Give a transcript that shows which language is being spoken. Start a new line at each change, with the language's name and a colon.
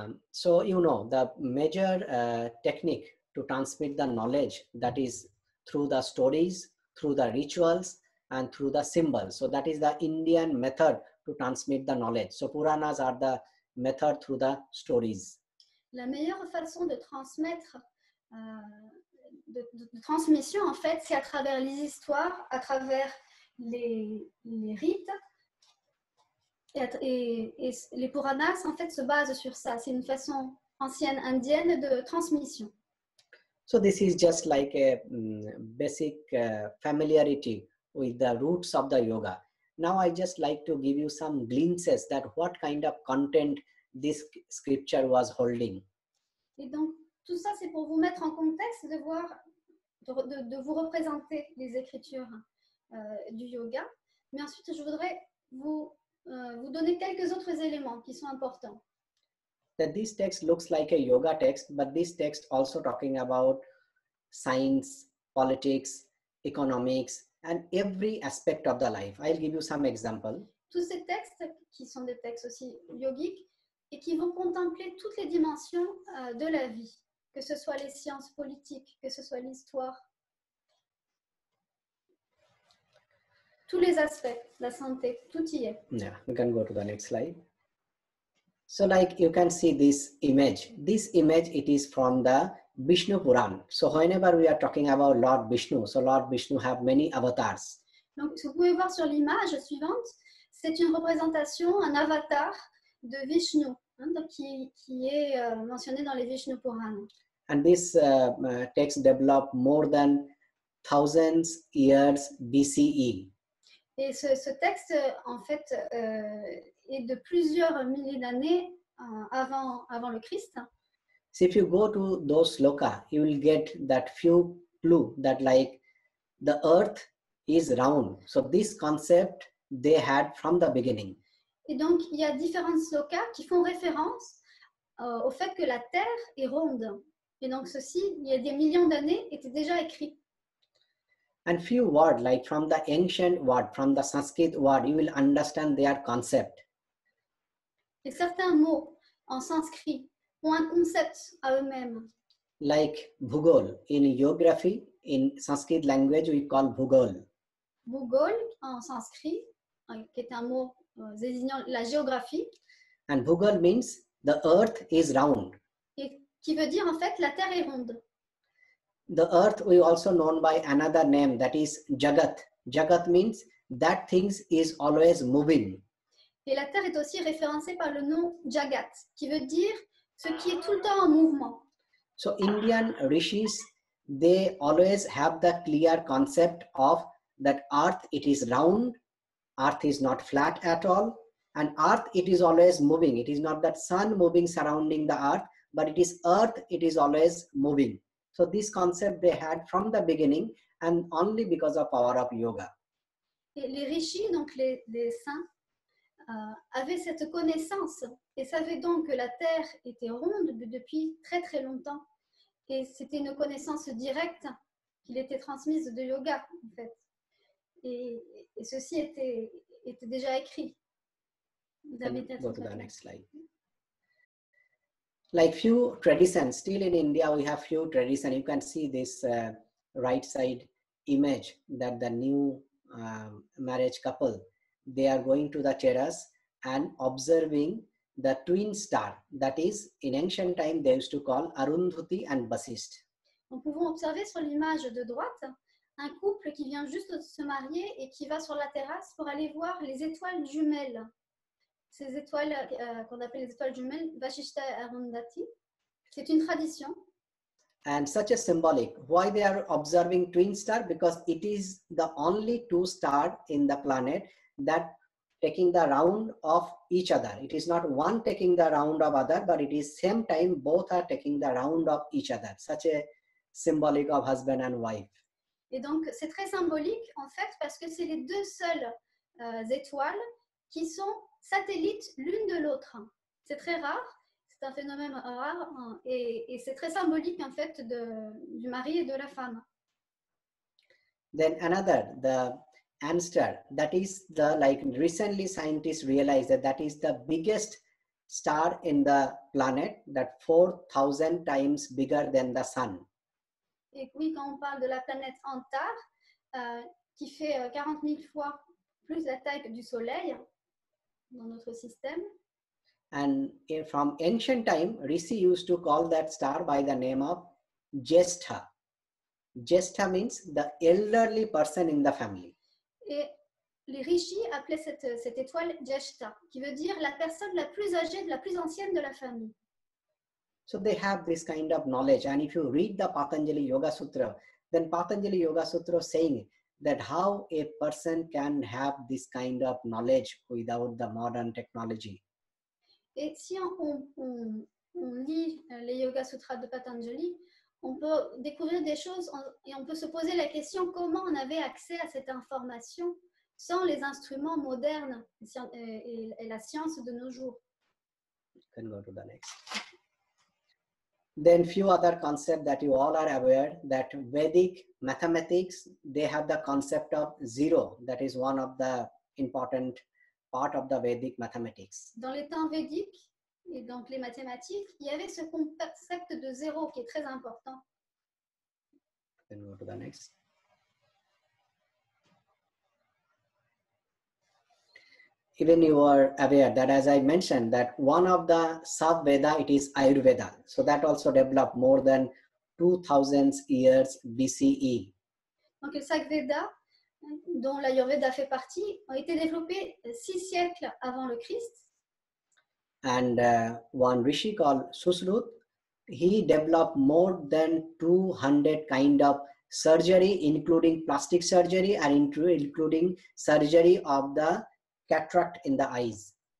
English: So you know the major technique to transmit the knowledge, that is through the stories, through the rituals and through the symbols. So that is the Indian method to transmit the knowledge. So Puranas are the method through the stories.
French: La meilleure façon de transmettre de transmission en fait c'est à travers les histoires, à travers les rites et les Puranas en fait se basent sur ça. C'est une façon ancienne indienne de transmission.
English: So this is just like a basic familiarity with the roots of the yoga. Now I just like to give you some glimpses that what kind of content this scripture was holding.
French: Et donc tout ça c'est pour vous mettre en contexte de voir de vous représenter les écritures du yoga, mais ensuite je voudrais vous donner quelques autres éléments qui sont importants.
English: That this text looks like a yoga text, but this text also talking about science, politics, economics and every aspect of the life. I'll give you some example.
French: Tous ces textes qui sont des textes aussi yogiques et qui vont contempler toutes les dimensions de la vie, que ce soit les sciences politiques, que ce soit l'histoire, tous les aspects, la santé, tout y est.
English: Yeah, we can go to the next slide. So like you can see this image it is from the Vishnu Puran. So whenever we are talking about Lord Vishnu, so Lord Vishnu have many avatars.
French: Donc vous pouvez voir sur l'image suivante, c'est une représentation, un avatar de Vishnu, hein, donc qui est mentionné dans les Vishnu Puran.
English: And this text developed more than thousands years BCE.
French: Et ce texte en fait est de plusieurs milliers d'années avant le Christ.
English: So if you go to those sloka, you will get that few clue that like the earth is round. So this concept they had from the beginning.
French: Et donc, il y a différents slokas qui font référence au fait que la Terre est ronde. Et donc ceci, il y a des millions d'années, était déjà écrit.
English: And few words, like from the ancient word, from the Sanskrit word, you will understand their concept.
French: Et certains mots en sanskrit ont un concept à eux-mêmes.
English: Like bhugol, in geography, in Sanskrit language, we call bhugol.
French: Bhugol en sanskrit, qui est un mot désignant la géographie.
English: And bhugol means the earth is round.
French: Et qui veut dire en fait la terre est ronde.
English: The earth we also known by another name, that is jagat. Jagat means that things is always moving.
French: Et la terre est aussi référencée par le nom jagat, qui veut dire ce qui est tout le temps en mouvement.
English: So Indian rishis, they always have the clear concept of that earth, it is round, earth is not flat at all, and earth, it is always moving. It is not that sun moving surrounding the earth, but it is earth, it is always moving. So this concept they had from the beginning and only because of power of yoga.
French: Et les rishis, donc les saints, avaient cette connaissance et savaient donc que la terre était ronde depuis très très longtemps. Et c'était une connaissance directe qu'il était transmise de yoga, en fait. Et ceci était déjà écrit. Vous avez peut-être...
English: Go to the next slide. Like few traditions, still in India we have few traditions. You can see this right side image that the new marriage couple, they are going to the terrace and observing the twin star. That is, in ancient time they used to call Arundhuti and Basist.
French: On peut observer sur l'image de droite un couple qui vient juste de se marier et qui va sur la terrasse pour aller voir les étoiles jumelles. Ces étoiles qu'on appelle les étoiles jumelles, Vashishta Arundhati, c'est une tradition.
English: And such a symbolic. Why they are observing twin star? Because it is the only two star in the planet that taking the round of each other. It is not one taking the round of other, but it is same time both are taking the round of each other. Such a symbolic of husband and wife.
French: Et donc c'est très symbolique en fait parce que c'est les deux seules étoiles qui sont satellites l'une de l'autre. C'est très rare, c'est un phénomène rare, hein, et c'est très symbolique en fait du mari et de la femme.
English: Then another, the hamster, that is the, like recently scientists realized that is the biggest star in the planet, that 4,000 times bigger than the sun.
French: Et oui, quand on parle de la planète Antar, qui fait 40 000 fois plus la taille du soleil, dans notre système.
English: And from ancient time, Rishi used to call that star by the name of Jyeshtha. Jyeshtha means the elderly person in the family.
French: Et les Rishis appelaient cette étoile Jyeshtha, qui veut dire la personne la plus âgée, la plus ancienne de la famille.
English: So they have this kind of knowledge. And if you read the Patanjali Yoga Sutra, then Patanjali Yoga Sutra saying that how a person can have this kind of knowledge without the modern technology.
French: Et si on lit les Yoga Sutras de Patanjali, on peut découvrir des choses et on peut se poser la question comment on avait accès à cette information sans les instruments modernes et la science de nos jours.
English: You can go to the next. Then few other concepts that you all are aware that Vedic mathematics, they have the concept of zero. That is one of the important part of the Vedic mathematics.
French: Dans les temps védiques et donc les mathématiques, il y avait ce concept de zéro qui est très important.
English: Then go to the next. Even you are aware that, as I mentioned, that one of the sub-Veda, it is Ayurveda. So that also developed more than 2,000 years BCE.
French: Donc les sub-Veda, dont l'Ayurveda fait partie, ont été développés 6 siècles avant le Christ.
English: And one Rishi called Susrut, he developed more than 200 kind of surgery, including plastic surgery and including surgery of the cataract in the eyes.